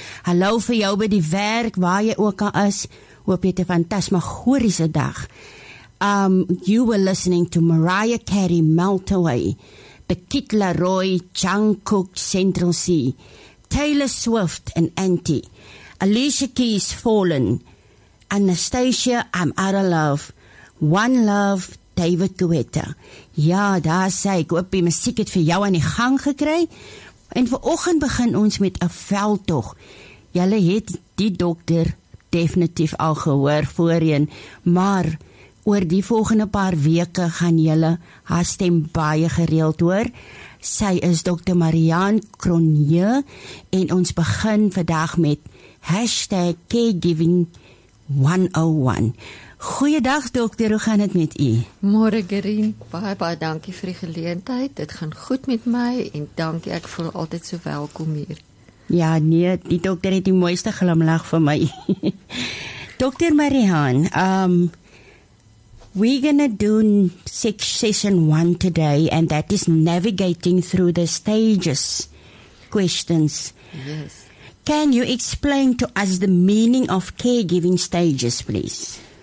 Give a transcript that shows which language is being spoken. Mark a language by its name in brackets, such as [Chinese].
[Afrikaans] Hallo vir jou by die werk, waar jy ook al is. Hoop jy het 'n fantasmagoriese dag. [English] You were listening to Mariah Carey, Melt Away, the Kid Laroi, Jungkook, Central C, Taylor Swift and Anti, Alicia Keys, Fallen, Anastasia, I'm Out of Love, One Love, David Guetta. [Afrikaans] Ja, daar sê ek, hoop die muziek het vir jou aan die gang gekry, en vir oggend begin ons met 'n veldtog. Julle het die dokter definitief al gehoor voorheen, maar oor die volgende paar weke gaan julle haar stem baie gereeld hoor. Sy is Dr. Marianne Cronje en ons begin vandag met #caregiving101. Goeiedag dokter, hoe gaan het met u? Môre Gerien, baie baie dankie vir die geleentheid. Dit gaan goed met my en dankie, ek voel altyd so welkom hier. Ja nee, die dokter het die mooiste glimlach vir my. Dr. [English] Marianne, we're going to do session one today, and that is navigating through the stages questions. Yes. Can you explain to us the meaning of caregiving stages, please?